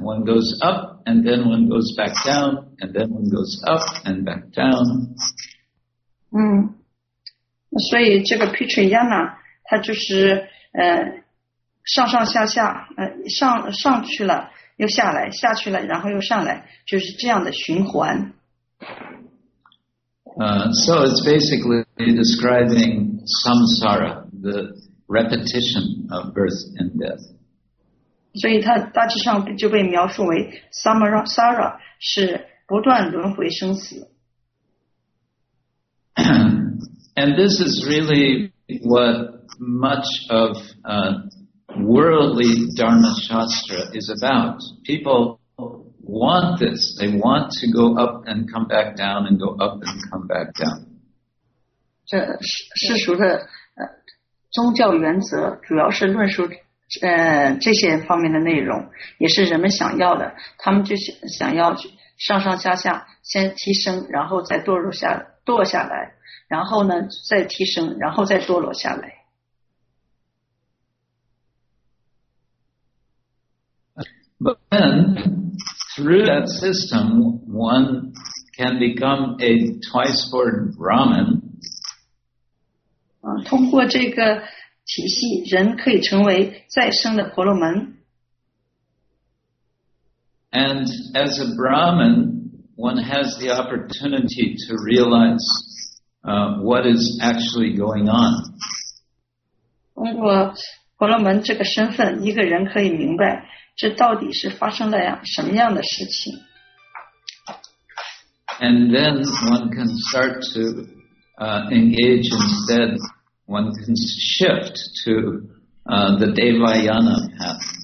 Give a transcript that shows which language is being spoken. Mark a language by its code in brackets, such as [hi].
[en] One goes up, and then one goes back down, and then one goes up and back down. [zh] 嗯，所以这个 Pitrayana 它就是上上下下，上去了又下来，下去了然后又上来，就是这样的循环。 [en] So it's basically describing samsara, the repetition of birth and death. [zh] 所以它大致上就被描述为 samsara 是不断轮回生死。 [en] And this is really what much of worldly Dharma Shastra is about. People want this. They want to go up and come back down and go up and come back down. [zh] 这世俗的宗教原则主要是论述这些方面的内容，也是人们想要的。他们就想要上上下下，先提升，然后再堕下来。然后呢，再提升，然后再堕落下来。 [en] But then, through that system, one can become a twice-born Brahmin. [zh] 通过这个体系，人可以成为再生的婆罗门。 [en] And as a Brahmin, one has the opportunity to realize what is actually going on. [zh] 通过婆罗门这个身份，一个人可以明白这到底是发生了什么样的事情。 [en] And then one can start to engage instead, one can shift to the Devayana path.